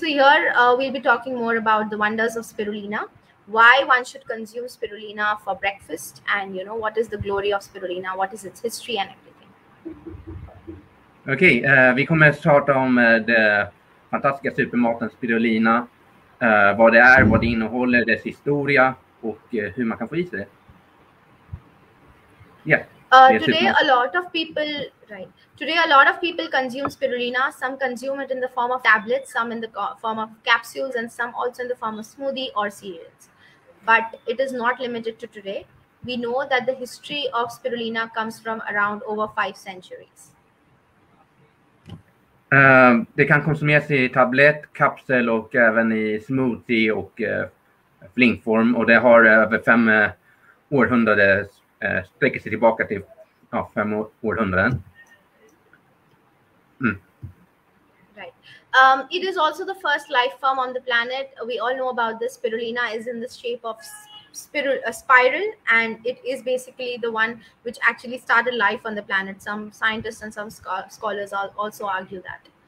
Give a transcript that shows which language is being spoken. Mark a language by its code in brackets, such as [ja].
[en] So here we'll be talking more about the wonders of spirulina, why one should consume spirulina for breakfast, and you know what is the glory of spirulina, what is its history and everything. [sv] Okay, vi kommer att prata om den fantastiska supermaten spirulina. Vad det är, vad det innehåller, dess historia och hur man kan få i sig det. [en] Today a lot of people today a lot of people consume spirulina. Some consume it in the form of tablets, some in the form of capsules, and some also in the form of smoothie or cereals. But it is not limited to today. We know that the history of spirulina comes from around over 5 centuries. [sv] Det kan konsumeras i tablett, kapsel och även i smoothie och flingform. Och det har över 5 århundraden, sträcker sig tillbaka till 5 århundraden. [en] It is also the first life form on the planet. We all know about this. Spirulina is in the shape of spiral, and it is basically the one which actually started life on the planet. Some scientists and some scholars also argue that.